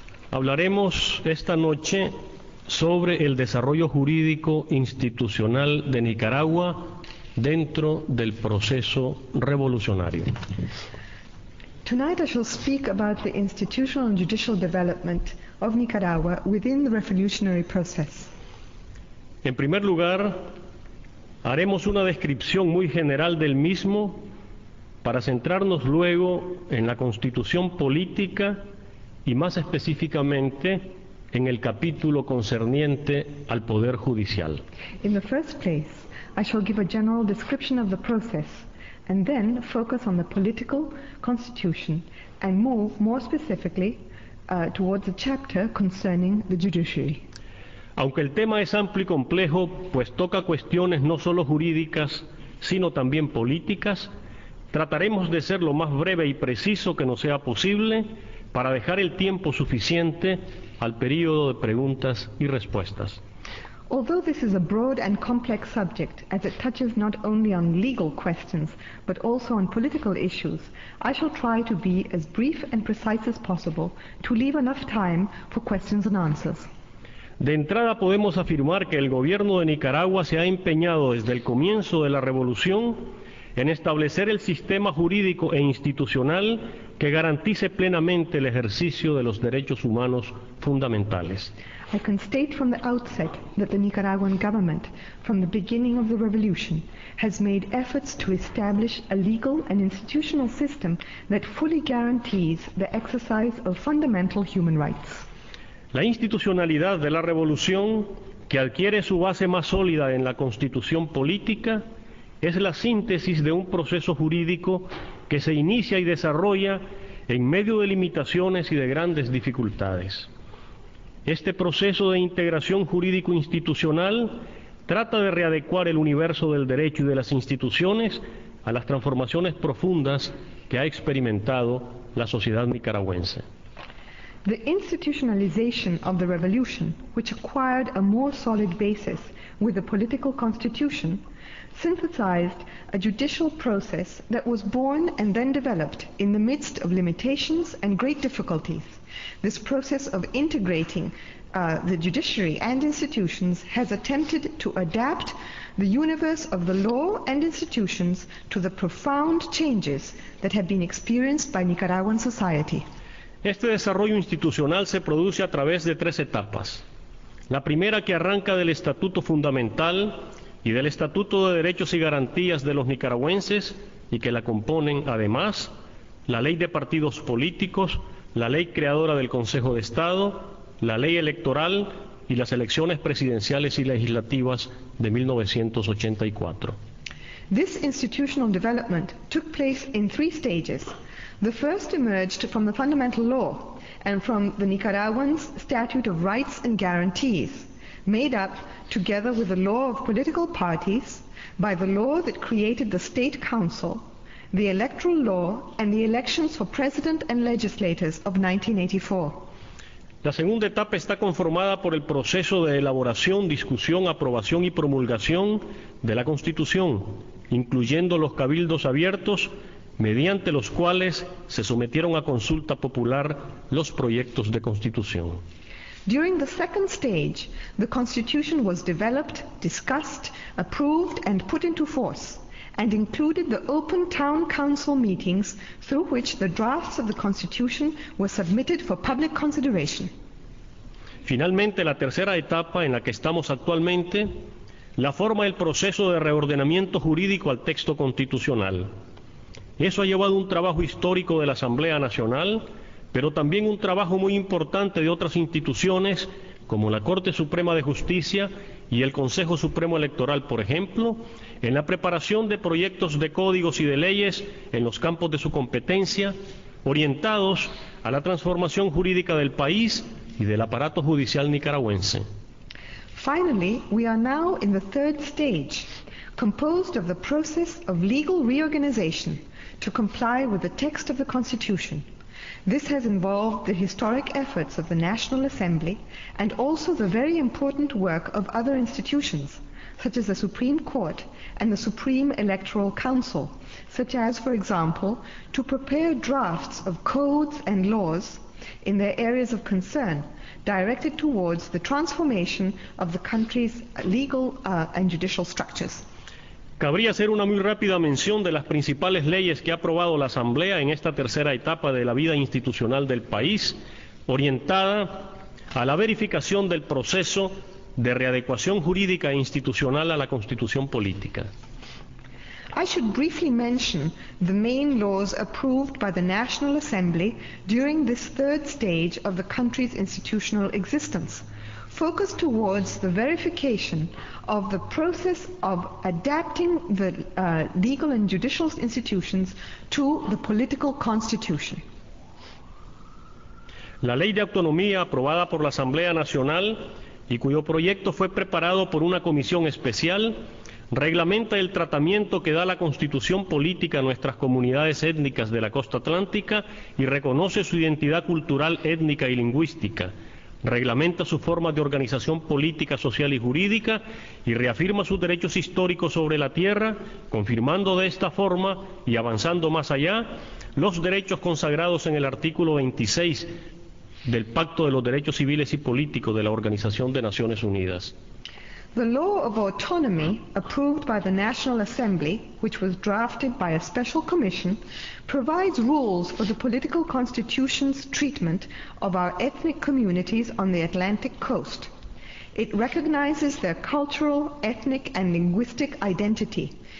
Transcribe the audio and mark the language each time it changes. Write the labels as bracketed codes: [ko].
[es] Hablaremos esta noche sobre el desarrollo jurídico institucional de Nicaragua dentro del proceso revolucionario. [en] Tonight I shall speak about the institutional and judicial development of Nicaragua within the revolutionary process. [es] En primer lugar, haremos una descripción muy general del mismo para centrarnos luego en la constitución política y más específicamente en el capítulo concerniente al Poder Judicial. [en] In the first place, I shall give a general description of the process and then focus on the political constitution and move more specifically towards a chapter concerning the judiciary. [es] Aunque el tema es amplio y complejo, pues toca cuestiones no solo jurídicas, sino también políticas, trataremos de ser lo más breve y preciso que nos sea posible para dejar el tiempo suficiente al periodo de preguntas y respuestas. [en] Although this is a broad and complex subject, as it touches not only on legal questions, but also on political issues, I shall try to be as brief and precise as possible to leave enough time for questions and answers. [es] De entrada podemos afirmar que el gobierno de Nicaragua se ha empeñado desde el comienzo de la revolución en establecer el sistema jurídico e institucional que garantice plenamente el ejercicio de los derechos humanos fundamentales. [en] I can state from the outset that the Nicaraguan government, from the beginning of the revolution, has made efforts to establish a legal and institutional system that fully guarantees the exercise of fundamental human rights. [es] La institucionalidad de la revolución, que adquiere su base más sólida en la constitución política, es la síntesis de un proceso jurídico que se inicia y desarrolla en medio de limitaciones y de grandes dificultades. Este proceso de integración jurídico-institucional trata de readecuar el universo del derecho y de las instituciones a las transformaciones profundas que ha experimentado la sociedad nicaragüense. [en] The institutionalization of the revolution, which acquired a more solid basis with the political constitution, synthesized a judicial process that was born and then developed in the midst of limitations and great difficulties. This process of integrating the judiciary and institutions has attempted to adapt the universe of the law and institutions to the profound changes that have been experienced by Nicaraguan society. [es] Este desarrollo institucional se produce a través de tres etapas. La primera, que arranca del Estatuto Fundamental y del Estatuto de Derechos y Garantías de los Nicaragüenses y que la componen además la Ley de Partidos Políticos, la Ley Creadora del Consejo de Estado, la Ley Electoral y las elecciones presidenciales y legislativas de 1984. [en] This institutional development took place in three stages. The first emerged from the fundamental law and from the Nicaraguans' Statute of Rights and Guarantees, made up together with the law of political parties by the law that created the State Council, the electoral law and the elections for president and legislators of 1984. [es] La segunda etapa está conformada por el proceso de elaboración, discusión, aprobación y promulgación de la Constitución, incluyendo los cabildos abiertos, mediante los cuales se sometieron a consulta popular los proyectos de Constitución. [en] During the second stage, the Constitution was developed, discussed, approved and put into force, and included the open town council meetings through which the drafts of the Constitution were submitted for public consideration. [es] Finalmente, la tercera etapa en la que estamos actualmente, la forma el proceso de reordenamiento jurídico al texto constitucional. Eso ha llevado un trabajo histórico de la Asamblea Nacional, pero también un trabajo muy importante de otras instituciones como la Corte Suprema de Justicia y el Consejo Supremo Electoral, por ejemplo, en la preparación de proyectos de códigos y de leyes en los campos de su competencia, orientados a la transformación jurídica del país y del aparato judicial nicaragüense. [en] Finally, we are now in the third stage, composed of the process of legal reorganization to comply with the text of the Constitution. This has involved the historic efforts of the National Assembly and also the very important work of other institutions, such as the Supreme Court and the Supreme Electoral Council, such as, for example, to prepare drafts of codes and laws in their areas of concern, directed towards the transformation of the country's legal and judicial structures. [es] Cabría hacer una muy rápida mención de las principales leyes que ha aprobado la Asamblea en esta tercera etapa de la vida institucional del país, orientada a la verificación del proceso de readecuación jurídica e institucional a la Constitución política. [en] I should briefly mention the main laws approved by the National Assembly during this third stage of the country's institutional existence, focused towards the verification of the process of adapting the legal and judicial institutions to the political constitution. [es] La ley de autonomía aprobada por la Asamblea Nacional y cuyo proyecto fue preparado por una comisión especial reglamenta el tratamiento que da la constitución política a nuestras comunidades étnicas de la costa atlántica y reconoce su identidad cultural, étnica y lingüística. Reglamenta sus formas de organización política, social y jurídica y reafirma sus derechos históricos sobre la tierra, confirmando de esta forma y avanzando más allá los derechos consagrados en el artículo 26 del Pacto de los Derechos Civiles y Políticos de la Organización de Naciones Unidas. [en] The law of autonomy approved by the National Assembly, which was drafted by a special commission, provides rules for the political constitution's treatment of our ethnic communities on the Atlantic coast. It recognizes their cultural, ethnic, and linguistic identity.